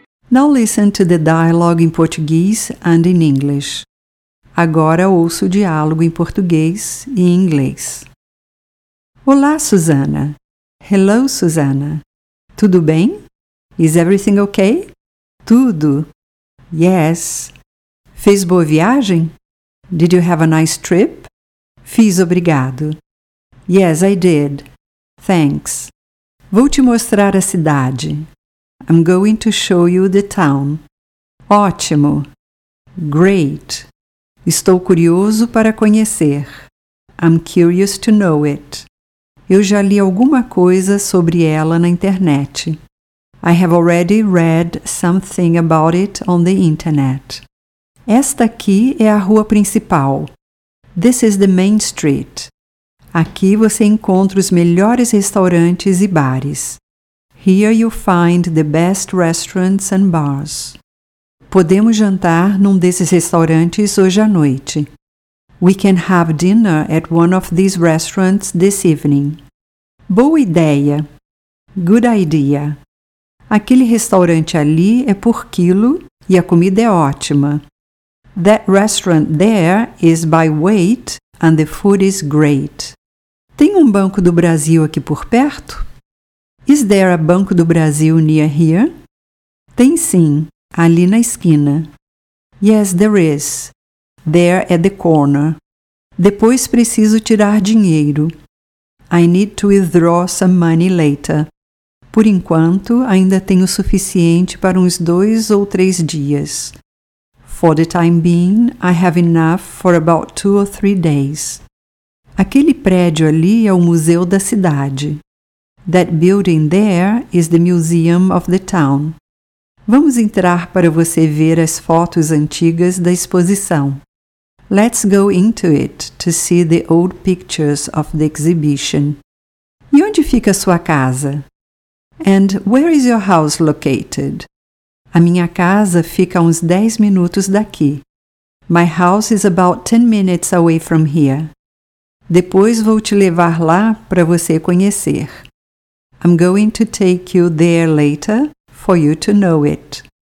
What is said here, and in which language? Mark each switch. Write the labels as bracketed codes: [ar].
[en] Now listen to the dialogue in Portuguese and in English. [pt] Agora ouço o diálogo em português e em inglês. Olá, Susana. [en] Hello, Susana. [pt] Tudo bem? [en] Is everything okay? [pt] Tudo. [en] Yes. [pt] Fez boa viagem? [en] Did you have a nice trip? [pt] Fiz, obrigado. [en] Yes, I did. Thanks. [pt] Vou te mostrar a cidade. [en] I'm going to show you the town. [pt] Ótimo. [en] Great. [pt] Estou curioso para conhecer. [en] I'm curious to know it. [pt] Eu já li alguma coisa sobre ela na internet. [en] I have already read something about it on the internet. [pt] Esta aqui é a rua principal. [en] This is the main street. [pt] Aqui você encontra os melhores restaurantes e bares. [en] Here you find the best restaurants and bars. [pt] Podemos jantar num desses restaurantes hoje à noite. [en] We can have dinner at one of these restaurants this evening. [pt] Boa ideia. [en] Good idea. [pt] Aquele restaurante ali é por quilo e a comida é ótima. [en] That restaurant there is by weight and the food is great. [pt] Tem um Banco do Brasil aqui por perto? [en] Is there a Banco do Brasil near here? [pt] Tem sim, ali na esquina. [en] Yes, there is. There at the corner. [pt] Depois preciso tirar dinheiro. [en] I need to withdraw some money later. [pt] Por enquanto, ainda tenho o suficiente para uns 2 ou 3 dias. [en] For the time being, I have enough for about 2 or 3 days. [pt] Aquele prédio ali é o museu da cidade. [en] That building there is the museum of the town. [pt] Vamos entrar para você ver as fotos antigas da exposição. [en] Let's go into it to see the old pictures of the exhibition. [pt] E onde fica a sua casa? [en] And where is your house located? [pt] A minha casa fica a uns 10 minutos daqui. [en] My house is about 10 minutes away from here. [pt] Depois vou te levar lá para você conhecer. [en] I'm going to take you there later for you to know it.